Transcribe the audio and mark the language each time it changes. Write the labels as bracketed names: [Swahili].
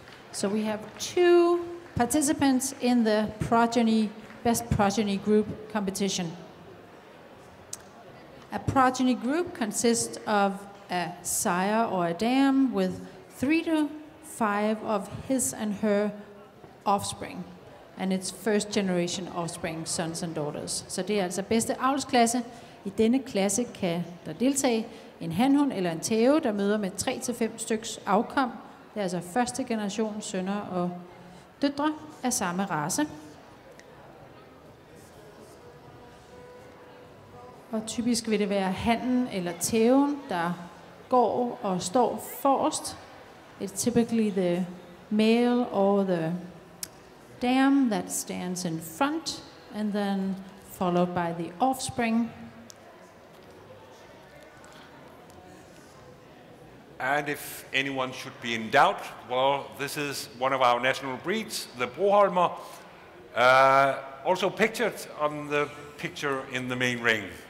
[English] So we have two participants in the progeny, Best Progeny Group competition. A progeny group consists of a sire or a dam with 3 to 5 of his and her offspring, and its first generation offspring, sons and daughters. [Danish] Så det er altså bedste avlsklasse. I denne klasse kan der deltage en hanhund eller en tæve, der møder med 3 til 5 styks afkom. Det er altså første generation sønner og døtre af samme race. Og typisk vil det være hannen eller tæven, der går og står forrest. [English] It's typically the male or the dam that stands in front and then followed by the offspring. And if anyone should be in doubt, well, this is one of our national breeds, the Broholmer, also pictured on the picture in the main ring.